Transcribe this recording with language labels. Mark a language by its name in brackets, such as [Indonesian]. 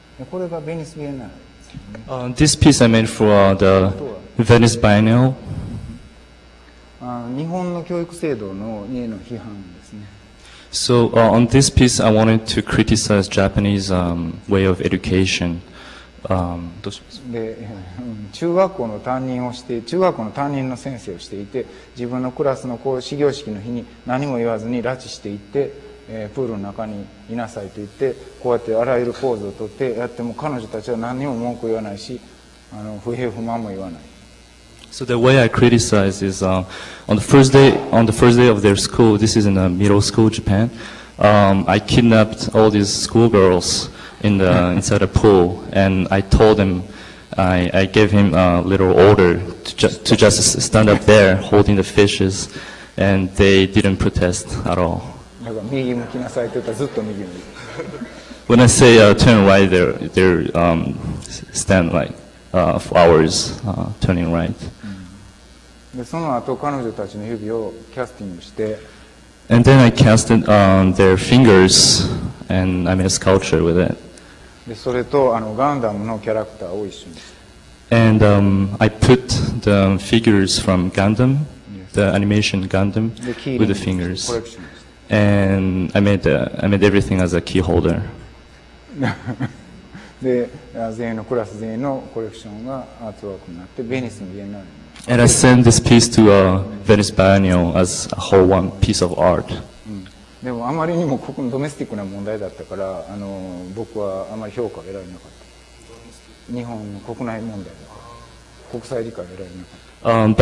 [Japanese] これがベニスビエンナーですね。 [English] This piece I made for the Venice Biennale. [Japanese] 日本の教育制度の批判ですね。 [English] So on this piece, I wanted to criticize Japanese way of education. [Japanese] どうしますで、中学校の担任をして、中学校の担任の先生をしていて、自分のクラスの始業式の日に何も言わずに拉致していって、プールの中にいなさいと言って、こうやってあらゆるポーズをとってやっても彼女たちは何も文句言わないし、不平不満も言わない。 [English] So the way I criticize is on the first day of their school, this is in a middle school in Japan, I kidnapped all these schoolgirls inside a pool, and I told them, I gave him a little order to just stand up there holding the fishes, and they didn't protest at all. When I say turn right, they're stand like for hours turning right. [Japanese] でその後彼女たちの指をキャスティングして [English] And then I casted on their fingers and I made a sculpture with it. [Japanese] でそれとガンダムのキャラクターを一緒に [English] And I put the figures from Gundam, the animation Gundam, with the fingers. And I made everything as a key holder. [Japanese] で全員のクラス全員のコレクションがアーツワークになってベニスのビエンナーレ。 [English] And I sent this piece to Venice Biennial as a whole one piece of art. [Japanese] でもあまりにもここのドメスティックな問題だったから、僕はあまり評価を得られなかった。日本の国内問題だから、国際理解を得られなかった。